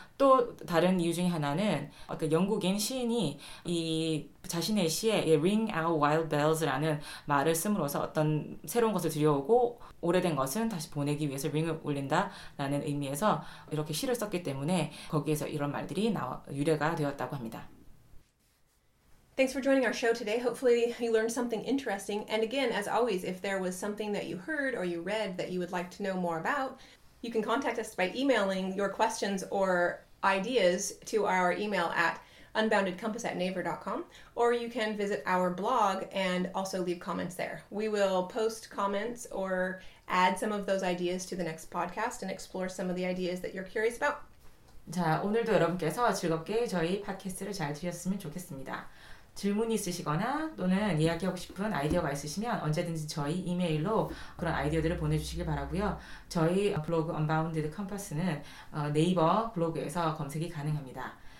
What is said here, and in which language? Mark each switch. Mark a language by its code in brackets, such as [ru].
[ko] 또 다른 이유 중에 하나는 어떤 영국인 시인이 이 자신의 시에 Ring Out Wild Bells라는 말을 씀으로써 어떤 새로운 것을 들여오고 오래된 것은 다시 보내기 위해서 링을 울린다라는 의미에서 이렇게 시를 썼기 때문에 거기에서 이런 말들이 유래가 되었다고 합니다. [en] Thanks for joining our show today. Hopefully you learned something interesting. And again, as always, if there was something that you heard or you read that you would like to know more about, you can contact us by emailing your questions or ideas to our email at unboundedcompass@naver.com, or you can visit our blog and also leave comments there. We will post comments or add some of those ideas to the next podcast and explore some of the ideas that you're curious about. [ko] 자, 오늘도 여러분께서 즐겁게 저희 팟캐스트를 잘 들으셨으면 좋겠습니다. 질문이 있으시거나 또는 이야기하고 싶은 아이디어가 있으시면 언제든지 저희 이메일로 그런 아이디어들을 보내주시길 바라고요. 저희 블로그 Unbounded Compass는 네이버 블로그에서 검색이 가능합니다.